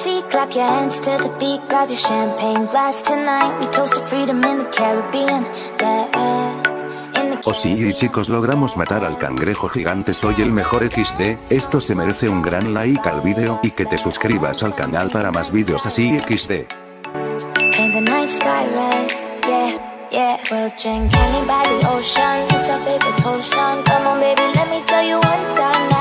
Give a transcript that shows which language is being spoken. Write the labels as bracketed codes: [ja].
[en] Clap your hands to the beat, grab your champagne glass tonight. We toast to freedom in the Caribbean, yeah. [es] Oh sí, chicos, logramos matar al cangrejo gigante. Soy el mejor XD. Esto se merece un gran like al video y que te suscribas al canal para más videos así XD. [en] And the night sky red, yeah, yeah. We'll drink any by the ocean. It's our favorite potion. Come on baby, let me tell you one time.